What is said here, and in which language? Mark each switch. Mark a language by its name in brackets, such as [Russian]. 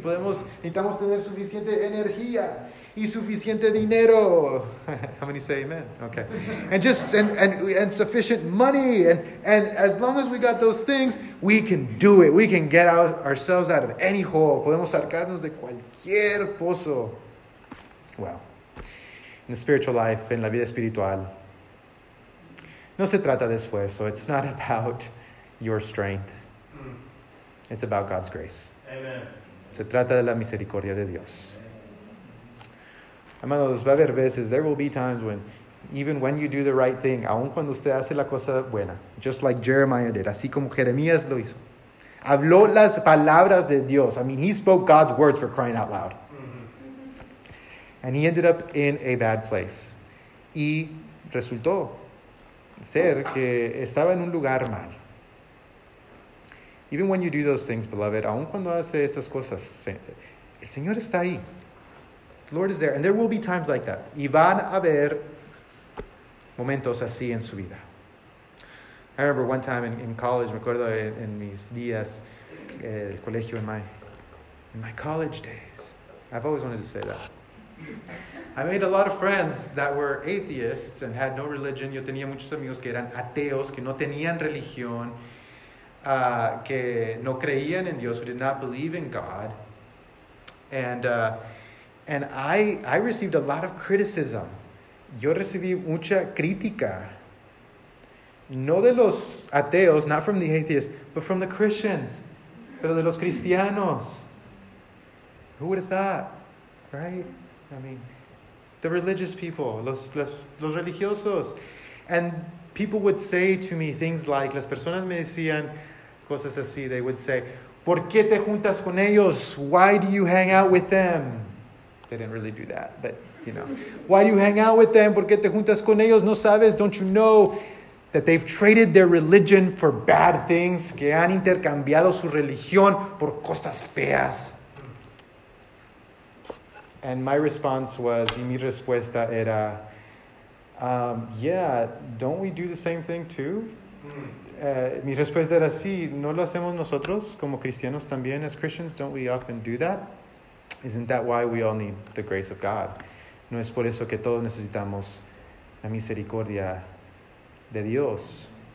[Spanish] Podemos, necesitamos tener suficiente energía y suficiente dinero. [English] How many say amen? Okay. And just and sufficient money. And as long as we got those things, we can do it. We can get out ourselves out of any hole. [Spanish] Podemos sacarnos de cualquier pozo. [English] Well, in the spiritual life, [Spanish] en la vida espiritual, no se trata de esfuerzo. [English] It's not about your strength. It's about God's grace. Amen. [Spanish] Se trata de la misericordia de Dios. Amados, va a haber veces, [English] there will be times when, even when you do the right thing, [Spanish] aun cuando usted hace la cosa buena, [English] just like Jeremiah did, [Spanish] así como Jeremías lo hizo. Habló las palabras de Dios. [English] I mean, he spoke God's words for crying out loud. Mm-hmm. And he ended up in a bad place. [Spanish] Y resultó ser que estaba en un lugar mal. [English] Even when you do those things, beloved, [Spanish] aun cuando hace esas cosas, el Señor está ahí. [English] The Lord is there. And there will be times like that. [Spanish] Y van a haber momentos así en su vida. [English] I remember one time in college, [Spanish] me acuerdo en mis días, el colegio, [English] in my college days. I've always wanted to say that. I made a lot of friends that were atheists and had no religion. [Spanish] Yo tenía muchos amigos que eran ateos, que no tenían religión. Que no creían en Dios, [English] who did not believe in God. And I received a lot of criticism. [Spanish] Yo recibí mucha crítica. No de los ateos, [English] not from the atheists, but from the Christians. [Spanish] Pero de los cristianos. [English] Who would have thought? Right? I mean, the religious people, [Spanish] los religiosos. [English] And people would say to me things like, [Spanish] las personas me decían cosas así, [English] they would say, [Spanish] ¿por qué te juntas con ellos? [English] Why do you hang out with them? They didn't really do that, but, you know. Why do you hang out with them? [Spanish] ¿Por qué te juntas con ellos? ¿No sabes? [English] Don't you know that they've traded their religion for bad things? [Spanish] Que han intercambiado su religión por cosas feas. [English] And my response was, [Spanish] y mi respuesta era, [English] yeah, don't we do the same thing too? [Spanish] Mi respuesta era sí, ¿no lo hacemos nosotros como cristianos también? [English] As Christians, don't we often do that? Isn't that why we all need the grace of God? [Spanish] ¿No es por eso que todos necesitamos la misericordia de Dios?